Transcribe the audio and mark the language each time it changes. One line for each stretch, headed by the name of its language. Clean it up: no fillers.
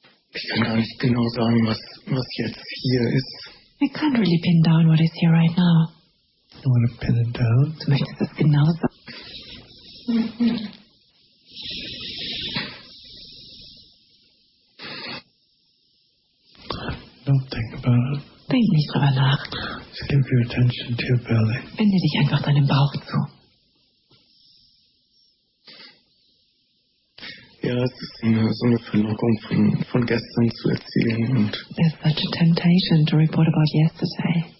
German: Ich kann gar nicht genau sagen, was jetzt hier ist.
English: I can't really pin down what is here right now. You want to pin it down?
German: Du möchtest es genau sagen.
English: Don't think about it.
German: Denk nicht drüber nach.
English: Just give your attention to your belly.
German: Wende dich einfach deinem Bauch zu. Ja, es ist so eine Verlockung von gestern zu erzählen. Und
English: there's such a temptation to report about yesterday.